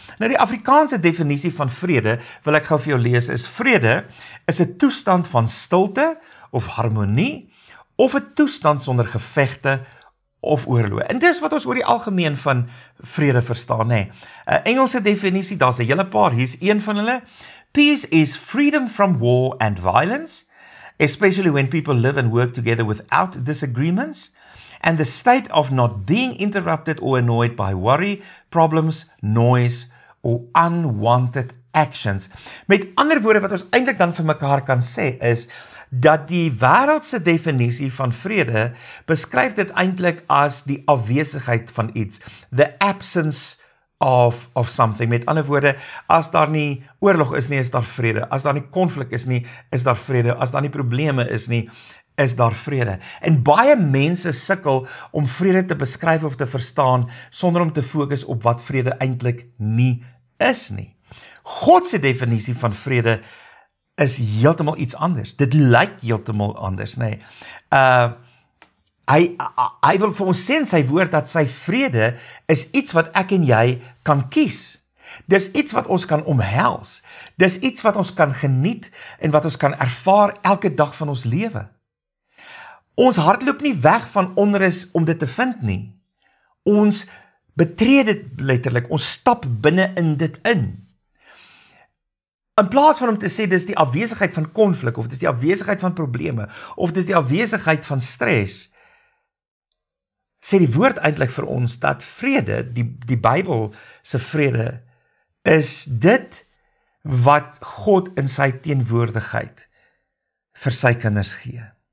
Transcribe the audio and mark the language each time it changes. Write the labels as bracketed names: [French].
[Afrikaans] Nou die Afrikaanse definisie van vrede, wil ek gou vir jou lees, is vrede is 'n toestand van stilte of harmonie of 'n toestand sonder gevegte of oorlog. En dis wat ons oor die algemeen van vrede verstaan, hè. 'n Engelse definisie, daar's 'n hele paar, hier's een van hulle. [English] Peace is freedom from war and violence, especially when people live and work together without disagreements, and the state of not being interrupted or annoyed by worry, problems, noise, or unwanted actions. [Afrikaans] Met ander woorde, wat ons eintlik dan vir mekaar kan sê, is dat die wêreldse definisie van vrede beskryf dit eintlik as die afwesigheid van iets, [English] the absence of something. [Afrikaans] Met ander woorde, as daar nie oorlog is nie, is daar vrede. As daar nie konflik is nie, is daar vrede. As daar nie probleme is nie, is daar vrede. En baie mense sukkel om vrede te beskryf of te verstaan sonder om te fokus op wat vrede eintlik nie is nie. God se definisie van vrede is heeltemal iets anders. Dit lyk heeltemal anders, nê. Hy wil vir ons sê in sy woord dat sy vrede is iets wat ek en jy kan kies. Dis iets wat ons kan omhels. Dis iets wat ons kan geniet en wat ons kan ervaar elke dag van ons lewe. Ons hart loop nie weg van onrus om dit te vind nie. Ons betree dit letterlik, ons stap binne in dit in. In plaas van om te sê dis die afwesigheid van konflik, of dis die afwesigheid van probleme, of dis die afwesigheid van stres, sê die woord eintlik vir ons dat vrede, die Bybel se vrede, is dit wat God in sy teenwoordigheid vir sy kinders gee.